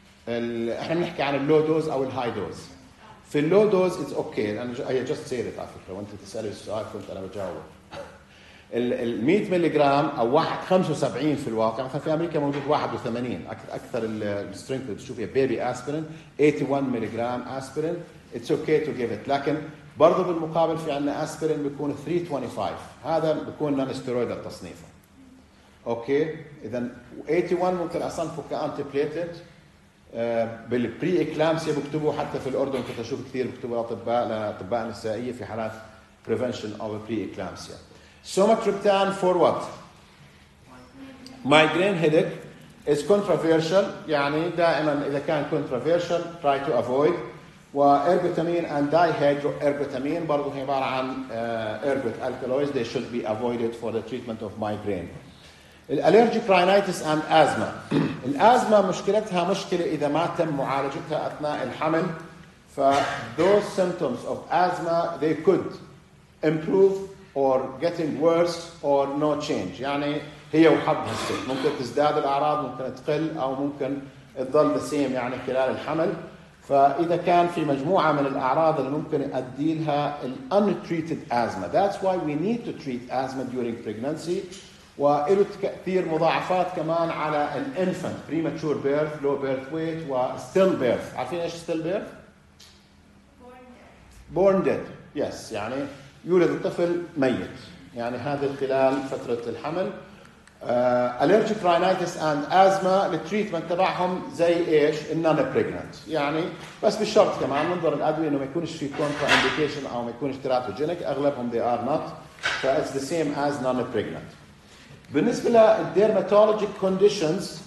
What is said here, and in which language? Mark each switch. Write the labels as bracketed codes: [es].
[ar] إحنا نحكي عن [en] low dose أو high dose. في low dose, it's okay. I just said it. I wanted to tell you the answer. I thought I would answer. The 100 milligram أو 75 [ar] في الواقع. مثلا في أمريكا موجود 81. [en] أكثر strength [ar] اللي بتشوفها [en] baby aspirin, 81 milligram aspirin. It's okay to give it. [ar] لكن برضو بالمقابل في عنا aspirin بيكون 325. هذا بيكون non-steroidal تصنيفه. [en] Okay. [ar] إذا 81 ممكن أصنفه كantiplated. بالpre-eclampsia بكتبه حتى في الأردن كنت أشوف كثير بكتبه لأطباء نسائية في حالات [en] prevention of pre-eclampsia. Somatriptan for what? Migraine headache is controversial. [ar] يعني دائما إذا كان controversial [en] try to avoid. وإربوتامين and dihydro ergotamine [ar] برضو هي عبارة عن [en] Ergot alkaloids they should be avoided for the treatment of migraine. الallergic rhinitis and asthma. [ar] الأزمة مشكلتها مشكلة إذا ما تم معالجتها أثناء الحمل. [en] ف those symptoms of asthma they could improve or getting worse or no change. [ar] يعني هي وحظها ممكن تزداد الأعراض ممكن تقل أو ممكن تظل [en] the same [ar] يعني خلال الحمل. فإذا كان في مجموعة من الأعراض اللي ممكن يؤدي لها الـ untreated asthma. [en] That's why we need to treat asthma during pregnancy. [ar] وإله تأثير مضاعفات كمان على الـ infant. [en] Premature birth, low birth weight, و still birth. [ar] عارفين إيش still birth؟ [en] Born dead. [ar] Yes. يعني يولد الطفل ميت. يعني هذا خلال فترة الحمل. [en] Allergic rhinitis and asthma the treatment [ar] تبعهم زي ايش non-pregnant يعني بس بالشرط كمان ننظر الأدوية انه ما يكونش في contraindication او ما يكونش teratogenic اغلبهم [en] they are not so it's the same as non-pregnant [ar] بالنسبة للdermatologic conditions